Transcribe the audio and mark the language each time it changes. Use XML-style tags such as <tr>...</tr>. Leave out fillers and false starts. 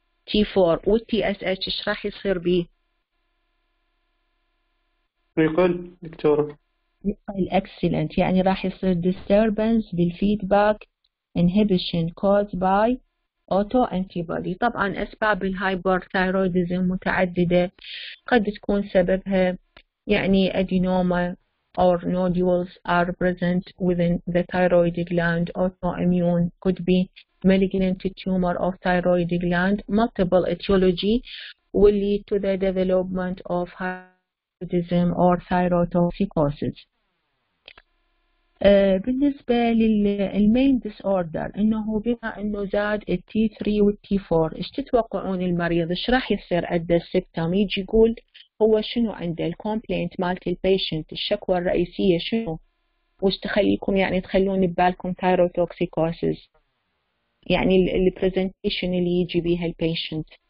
<en>T4.</en> <ar>والTSH إيش راح يصير به؟ يقل, Victoria. يقل.</ar> <en>Excellent.</en> <ar>يعني راح يصير disturbance بال</ar> <en>feedback inhibition caused by</en> <ar>أوتو أنتيبادي. طبعا أسباب الهايبرثايرويدزم متعددة, قد تكون سببها يعني</ar> <en>Adenoma or nodules are present within the thyroid gland, autoimmune could be malignant tumor of thyroid gland, multiple etiology will lead to the development of hyperthyroidism or thyrotoxicosis.</en> <ar>بالنسبة للمين ديسوردر انه بما انه زاد T3 والT4 ايش تتوقعون المريض ايش راح يصير عنده السيبتوم؟ يجي يقول هو شنو عنده الكومبلينت مالت البيشنت, الشكوى الرئيسية شنو, وايش تخليكم يعني تخلون ببالكم thyrotoxicosis يعني البرزنتيشن اللي يجي بيها البيشنت؟</ar>